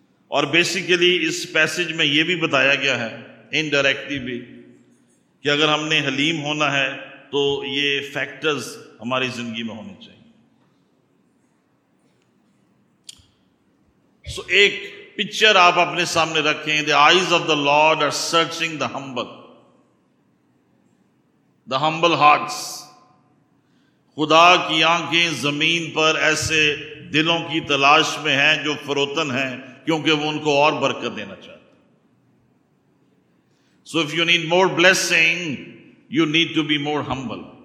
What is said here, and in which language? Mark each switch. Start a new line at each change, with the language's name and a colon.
Urdu: اور بیسیکلی اس پیسج میں یہ بھی بتایا گیا ہے انڈائریکٹلی بھی، کہ اگر ہم نے حلیم ہونا ہے تو یہ فیکٹرز ہماری زندگی میں ہونے چاہیے. سو ایک پکچر آپ اپنے سامنے رکھیں.
English: The eyes of the Lord are searching the humble, the humble hearts.
Urdu: خدا کی آنکھیں زمین پر ایسے دلوں کی تلاش میں ہیں جو فروتن ہیں، کیونکہ وہ ان کو اور برکت دینا چاہتے ہیں.
English: So if you need more blessing, you need to be more humble.